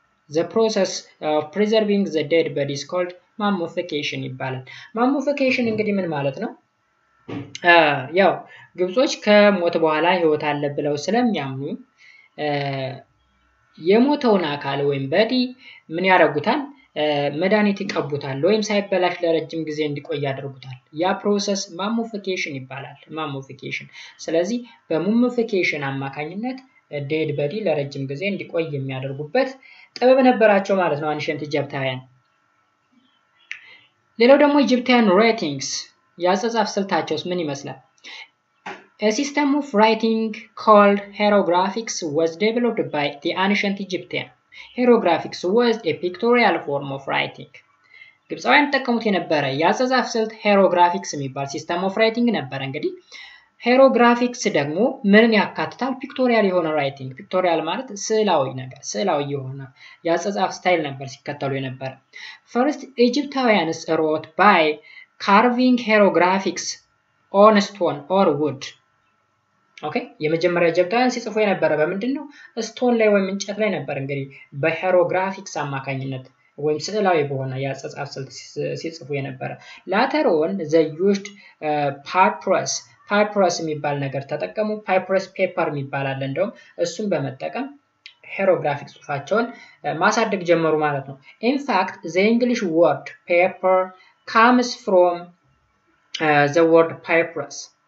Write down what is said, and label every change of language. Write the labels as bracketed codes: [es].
[en] The process of preserving the dead body is called mummification ይባላል። mummification [am] እንግዲህ ምን ማለት ነው? ያው ግብጾች ከሞት በኋላ ህይወት አለ ብለው ስለሚያምኑ የሞተውን አካል ወይም በዲ ምን ያረጋጉታል? መዳኒት ይቀቡታል ወይም ሳይበላሽ ለረጅም ጊዜ እንዲቆይ ያደርጉታል። ያ ፕሮሰስ mummification ይባላል። mummification ስለዚህ በmummification አማካኝነት ዴድ በዲ ለረጅም ጊዜ እንዲቆይ የሚያደርጉበት ጥበብ ነበራቸው ማለት ነው አንሸንት ኢጅፕታውያን። ሌላው ደግሞ ኢጅፕታውያን ራይቲንግስ ያጻጻፍ ስልታቸውስ ምን ይመስላል? [en] A system of writing called hieroglyphics was developed by the ancient Egyptians. Hieroglyphics was a pictorial form of writing. [am] ግብጻውያን ተከሙት የነበረ ያጻጻፍ ስልት hieroglyphics የሚባል [en] system of writing [am] ነበር። እንግዲህ hieroglyphics ደግሞ ምንን ያካትታል? [en] Pictorial የሆነ writing. Pictorial [am] ማለት ስዕላዊ ነገር፣ ስዕላዊ የሆነ ያጻጻፍ ስታይል ነበር ሲከተሉ የነበረ። [en] First Egyptians wrote by carving hieroglyphics on stone or wood. [am] ኦኬ የመጀመሪያ ጀብታን ሲጽፉ የነበረ በመንደል ነው ስቶን ላይ ወይም እንጨት ላይ ነበር። እንግዲህ በሄሮግራፊክስ አማካኝነት ወይም ስዕላዊ በሆነ ያጻጻፍ ስልት ሲጽፉ የነበረ። [en] later on they used papyrus papyrus [am] የሚባል ነገር ተጠቀሙ። papyrus paper የሚባል አለ እንደውም እሱን በመጠቀም ሄሮግራፊክስ ጽሑፋቸውን ማሳደግ ጀመሩ ማለት ነው። [en] in fact the english word paper comes from the word papyrus.